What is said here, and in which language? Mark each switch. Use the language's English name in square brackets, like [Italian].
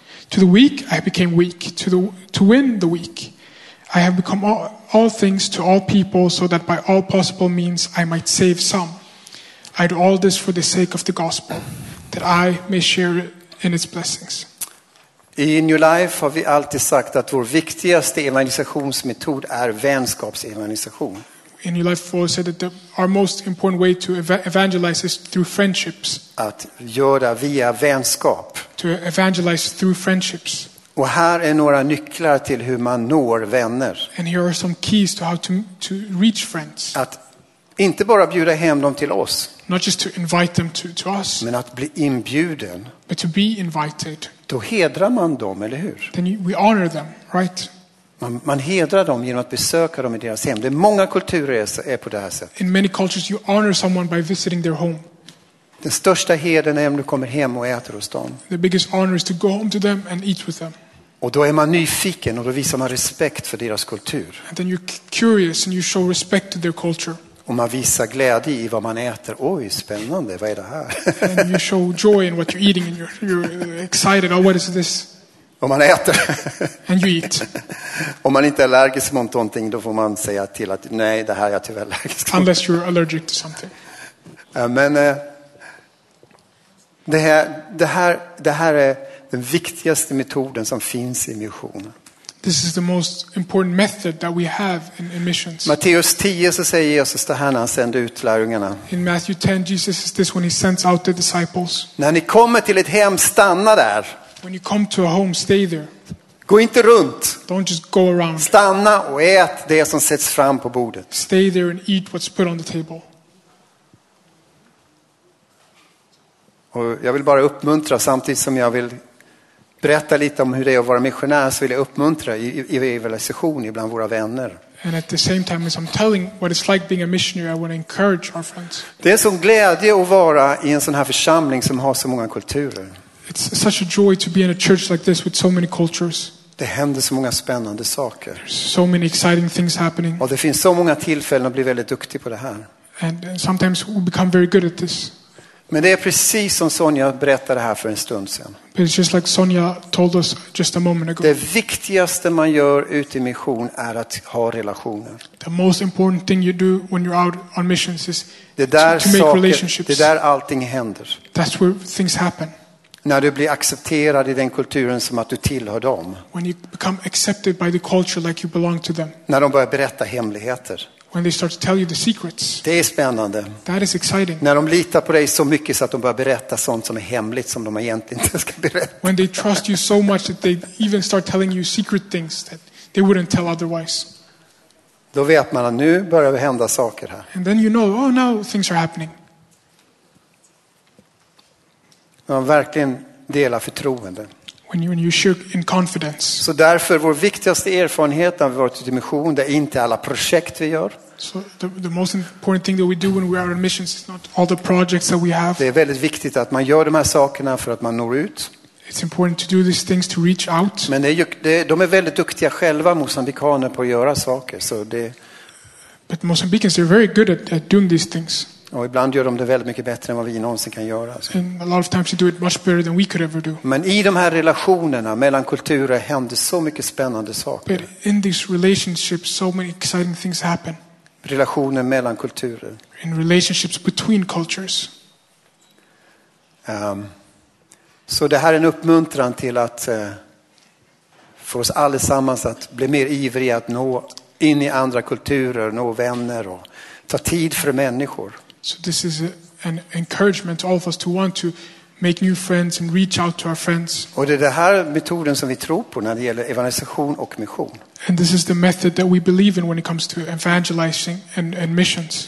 [English] To the weak I became weak to win the weak. I have become all things to all people, so that by all possible means I might save some. I do all this for the sake of the gospel, that I may share it in its blessings. [Swedish] I New Life har vi alltid sagt att vår viktigaste evangelisationsmetod är vänskapsevangelisation. [English] In New Life for said that our most important way to evangelize is through friendships. [Swedish] Att göra via vänskap. [English] To evangelize through friendships. [Swedish] Och här är några nycklar till hur man når vänner. [English] And here are some keys to how to reach friends. [Swedish] Att inte bara bjuda hem dem till oss. [English] Not just to invite them to us. [Swedish] Men att bli inbjuden. [English] But to be invited. [Swedish] Då hedrar man dem, eller hur? [English] Then we honor them, right? [Swedish] Man hedrar dem genom att besöka dem i deras hem. Det är många kulturer är på det här sättet. [English] In many cultures you honor someone by visiting their home. [Swedish] Den största hedern är om du kommer hem och äter hos dem. [English] The biggest honor is to go home to them and eat with them. [Swedish] Och då är man nyfiken och då visar man respekt för deras kultur. [English] And then you're curious and you show respect to their culture. [Swedish] Och man visar glädje i vad man äter. Oj, spännande. Vad är det här? [English] And you show joy in what you're eating and you're excited. Oh, what is this? [Swedish] Om man äter. [English] And you eat. [Swedish] Om man inte är allergisk mot någonting, då får man säga till att nej, det här är jag tyvärr allergisk. [English] Unless you're allergic to something. [Swedish] Men det här är den viktigaste metoden som finns i missionen. [English] This is the most important method that we have in missions. [Swedish] Matteus 10 så säger Jesus det här när han sänder ut lärjungarna. [English] In Matthew 10 Jesus is this when he sends out the disciples. [Swedish] När ni kommer till ett hem, stanna där. [English] When you come to a home, stay there. [Swedish] Gå inte runt. [English] Don't just go around. [Swedish] Stanna och ät det som sätts fram på bordet. [English] Stay there and eat what's put on the table. [Swedish] Och jag vill bara uppmuntra, samtidigt som jag vill berätta lite om hur det är att vara missionär, så vill jag uppmuntra i evangelisation ibland våra vänner. [English] And at the same time as I'm telling what it's like being a missionary, I want to encourage our friends. [Swedish] Det är så glädje att vara i en sån här församling som har så många kulturer. [English] It's such a joy to be in a church like this with so many cultures. [Swedish] Det händer så många spännande saker. [English] So many exciting things happening. [Swedish] Och det finns så många tillfällen att bli väldigt duktig på det här. [English] And sometimes we become very good at this. [Swedish] Men det är precis som Sonja berättade här för en stund sedan. [English] It's just like Sonja told us just a moment ago. [Swedish] Det viktigaste man gör ute i mission är att ha relationer. [English] The most important thing you do when you're out on missions is to make relationships. [Swedish] Det är där allting händer. [English] That's where things happen. [Swedish] När du blir accepterad i den kulturen som att du tillhör dem. [English] When you become accepted by the culture like you belong to them. [Swedish] När de börjar berätta hemligheter. [English] When they start to tell you the secrets. [Swedish] Det är spännande. [English] That is exciting. [Swedish] När de litar på dig så mycket så att de börjar berätta sånt som är hemligt som de egentligen inte ska berätta. [English] When they trust you so much that they even start telling you secret things that they wouldn't tell otherwise. [Swedish] Då vet man att nu börjar det hända saker här. [English] And then you know, oh now things are happening. [Swedish] När man verkligen delar förtroende. [English] When you share in confidence. [Swedish] Så därför vår viktigaste erfarenhet när vi varit ute i mission, det är inte alla projekt vi gör. [English] So the most important thing that we do when we are on missions is not all the projects that we have. [Swedish] Det är väldigt viktigt att man gör de här sakerna för att man når ut. [English] It's important to do these things to reach out. [Swedish] Men de är väldigt duktiga själva, mosambikaner, på att göra saker. Så det [English] But Mozambicans, they're very good at doing these things. [Swedish] Och ibland gör de det väldigt mycket bättre än vad vi någonsin kan göra. [English] And a lot of times they do it much better than we could ever do. [Swedish] Men i de här relationerna mellan kulturer händer så mycket spännande saker. [English] But in these relationships, so many exciting things happen. [Swedish] Relationer mellan kulturer. [English] In relationships between cultures. [Swedish] Så det här är en uppmuntran till att för oss allesammans att bli mer ivriga att nå in i andra kulturer, nå vänner och ta tid för människor. [English] So this is an encouragement to all of us to want to make new friends and reach out to our friends. [Swedish] Och det är den här metoden som vi tror på när det gäller evangelisation och mission. [English] And this is the method that we believe in when it comes to evangelizing and missions.